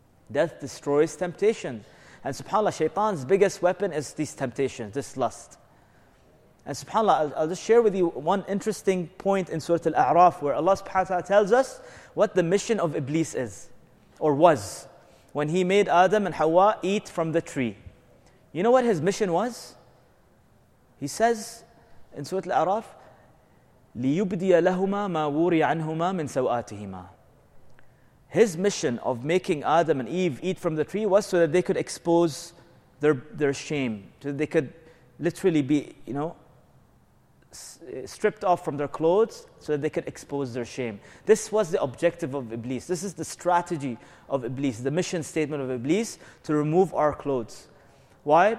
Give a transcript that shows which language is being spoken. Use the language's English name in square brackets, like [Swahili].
[English] Death destroys temptation. And subhanAllah, shaitan's biggest weapon is these temptations, this lust. And subhanAllah, I'll just share with you one interesting point in Surah Al-A'raf where Allah subhanahu wa ta'ala tells us what the mission of Iblis is. Or was, when he made Adam and Hawa eat from the tree. You know what his mission was? He says in Surah Al-A'raf, [Arabic] لِيُبْدِيَ لَهُمَا مَا وُورِيَ عَنْهُمَا مِنْ سَوْآتِهِمَا. [English] His mission of making Adam and Eve eat from the tree was so that they could expose their shame, so that they could literally be, you know, stripped off from their clothes so that they could expose their shame. This was the objective of Iblis. This is the strategy of Iblis, the mission statement of Iblis, to remove our clothes. Why?